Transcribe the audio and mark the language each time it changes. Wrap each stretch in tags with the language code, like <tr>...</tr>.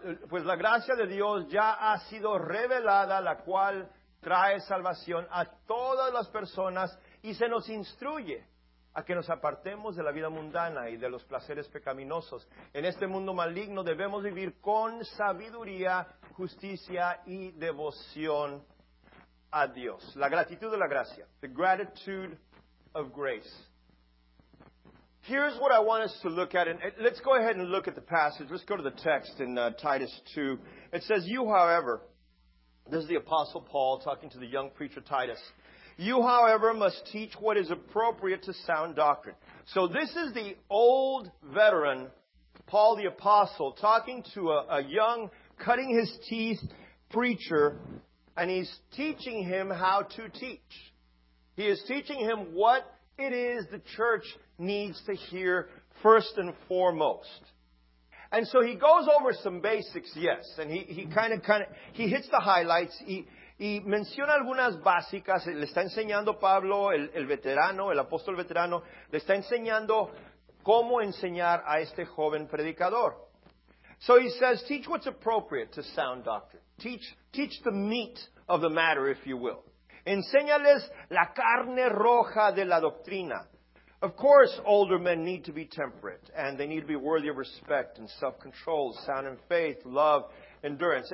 <es>Pues la gracia de Dios ya ha sido revelada, la cual trae salvación a todas las personas y se nos instruye a que nos apartemos de la vida mundana y de los placeres pecaminosos. En este mundo maligno debemos vivir con sabiduría, justicia y devoción a Dios. La gratitud de la gracia.</es> <en>The gratitude of grace. Here's what I want us to look at, and let's go ahead and look at the passage. Let's go to the text in Titus 2. It says, you, however, this is the Apostle Paul talking to the young preacher Titus. You, however, must teach what is appropriate to sound doctrine. So this is the old veteran, Paul the Apostle, talking to a young, cutting his teeth preacher, and he's teaching him how to teach. He is teaching him what it is the church needs to hear first and foremost. And so he goes over some basics, yes, and he hits the highlights.</en> <es>Y menciona algunas básicas. Le está enseñando Pablo, el veterano, el apóstol veterano, le está enseñando cómo enseñar a este joven predicador.</es> <en>So he says, teach what's appropriate to sound doctrine. Teach the meat of the matter, if you will.</en> <es>Enséñales la carne roja de la doctrina.</es> <en>Of course, older men need to be temperate, and they need to be worthy of respect and self-control, sound in faith, love, endurance.</en>